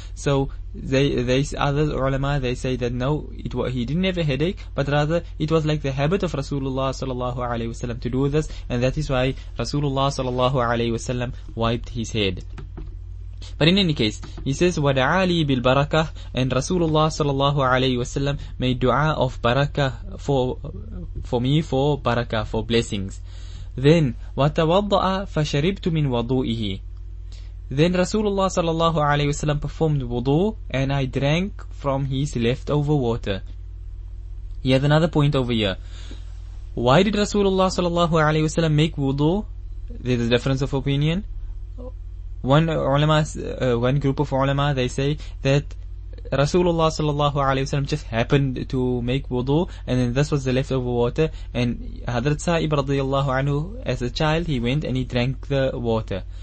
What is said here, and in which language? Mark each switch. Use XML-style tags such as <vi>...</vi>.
<en>So other ulama say that no, he didn't have a headache, but rather it was like the habit of Rasulullah sallallahu alaihi wasallam to do this, and that is why Rasulullah sallallahu alaihi wasallam wiped his head. But in any case, he says, وَدَعَى لِي بِالْبَرَكَةِ, and Rasulullah sallallahu alayhi wa sallam made dua of barakah for me, for barakah, for blessings.</en> <ar>Then, وَتَوَضَّأَ فَشَرِبْتُ مِنْ وَضُوئِهِ.</ar> <en>Then Rasulullah sallallahu alayhi wa sallam performed wudu, and I drank from his leftover water. He has another point over here. Why did Rasulullah sallallahu alayhi wa sallam make wudu? There's a difference of opinion. One group of ulama, they say that Rasulullah sallallahu alayhi wa sallam just happened to make wudu, and then this was the leftover water, and Hadrat Sa'ib radiallahu anhu, as a child, he went and he drank the water.</en>